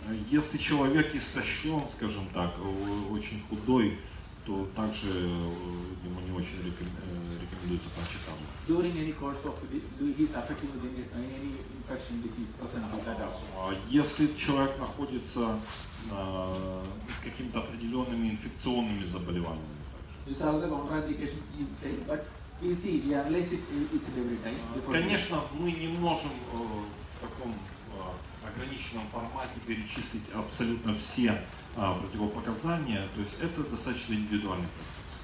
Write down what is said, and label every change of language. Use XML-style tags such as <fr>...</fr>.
<ru>Если человек истощен, скажем так, очень худой, то также ему не очень рекомендуется панчакарма.</ru> <en>During any course of he is affected with any infection disease, person like that also.</en> <ru>Если человек находится с какими-то определенными инфекционными заболеваниями.</ru> <en>These are the contraindications you say, but you see, we analyze it each and every time.</en> <ru>Конечно, мы не можем в таком ограниченном формате перечислить абсолютно все противопоказания. То есть это достаточно индивидуальный процесс.</ru>